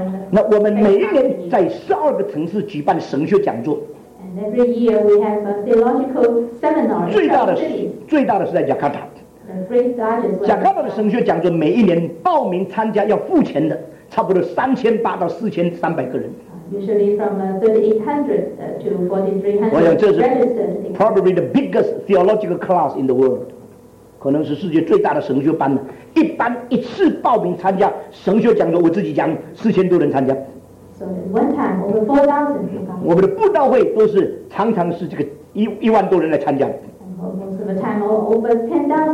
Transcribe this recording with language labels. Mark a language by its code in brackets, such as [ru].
[zh] 那我们每一年在12个城市举办神学讲座。 [en] And every year we have a theological seminar. [zh] 最大的是在 Jakarta。 Jakarta 的神学讲座每一年报名参加要付钱的，差不多3800到4300个人。 [en] Usually from 3800 to 4300. [zh] 我想这是 [en] probably the biggest theological class in the world. [zh] 可能是世界最大的神学班了。一般一次报名参加神学讲座，我自己讲4000多人参加。 [en] So one time over 4,000 people. [zh] 我们的布道会都是常常是这个1万多人来参加。 [en] Most of the time over 10,000.